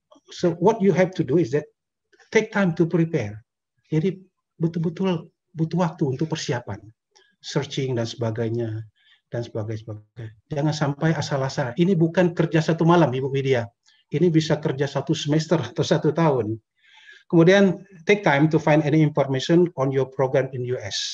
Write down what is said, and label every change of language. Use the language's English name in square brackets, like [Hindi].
[English] So what you have to do is that take time to prepare. [Indonesian] Jadi betul-betul butuh waktu untuk persiapan, searching dan sebagainya, dan sebagainya. Jangan sampai asal-asal. Ini bukan kerja satu malam, Ibu Widya. Ini bisa kerja satu semester atau satu tahun. [English] Kemudian, take time to find any information on your program in US.